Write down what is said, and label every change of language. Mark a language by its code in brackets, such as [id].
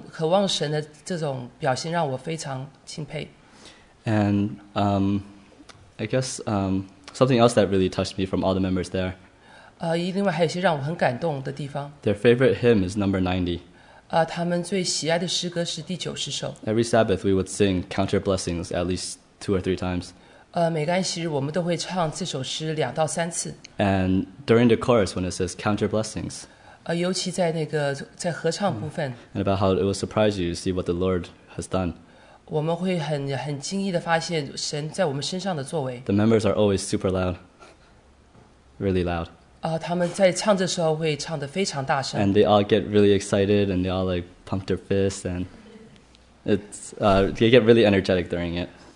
[zh] 这是他们这种很渴望神的这种表现让我非常钦佩。 [en] And I guess something else that really touched me from all the members there. [zh] 另外还有一些让我很感动的地方。 [en] Their favorite hymn is number 90. [zh] 他们最喜爱的诗歌是第90首。 [en] Every Sabbath we would sing Count Your Blessings at least two or three times. [zh] 每个安息日我们都会唱这首诗2到3次。 [en] And during the chorus when it says Count Your Blessings. [zh] 尤其在合唱部分。 [en] And about how it will surprise you to see what the Lord has done. [zh] 我们会很惊异地发现神在我们身上的作为。 [en] The members are always super loud. Really loud. [zh] 他们在唱的时候会唱得非常大声。 [en] And they all get really excited and they all like pump their fists and they get really energetic during it.